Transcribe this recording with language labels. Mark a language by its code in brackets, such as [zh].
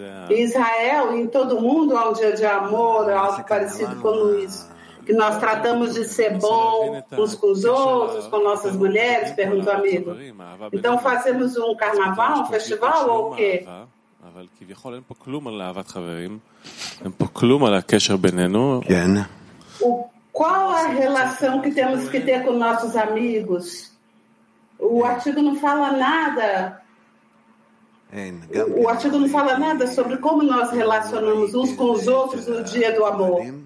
[pt] Israel, em todo mundo há dia de amor, algo parecido com isso, que nós tratamos de ser bom uns com os outros, com nossas mulheres, pergunta o amigo. Então fazemos um carnaval, um festival ou o quê? [he] אבל כביכול אין פה כלום על אהבת חברים, אין פה כלום על הקשר בינינו. כן. [pt] Qual a relação que temos que ter com nossos amigos? O artigo não fala nada. O artigo não fala nada sobre como nós relacionamos uns com os outros no dia do amor.